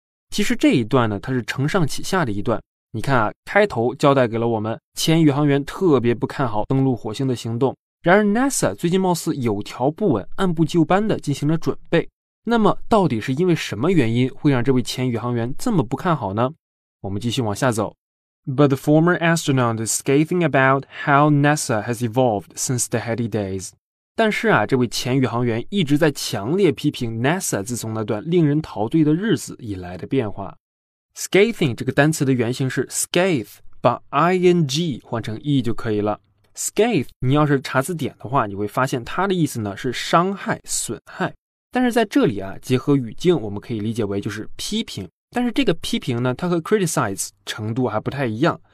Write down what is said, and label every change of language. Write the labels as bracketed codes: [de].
[zh] 其实这一段呢，它是承上启下的一段。你看啊，开头交代给了我们前宇航员特别不看好登陆火星的行动，然而 NASA 最近貌似有条不紊、按部就班地进行了准备。那么到底是因为什么原因会让这位前宇航员这么不看好呢？我们继续往下走。 [en] But the former astronaut is scathing about how NASA has evolved since the heady days。 [zh] 但是啊，这位前宇航员一直在强烈批评 NASA 自从那段令人陶醉的日子以来的变化。 Scathing 这个单词的原型是 scathe， 把 ing 换成 e 就可以了。 Scathe 你要是查字典的话，你会发现它的意思呢是伤害、损害，但是在这里啊，结合语境我们可以理解为就是批评，但是这个批评呢，它和 criticize 程度还不太一样。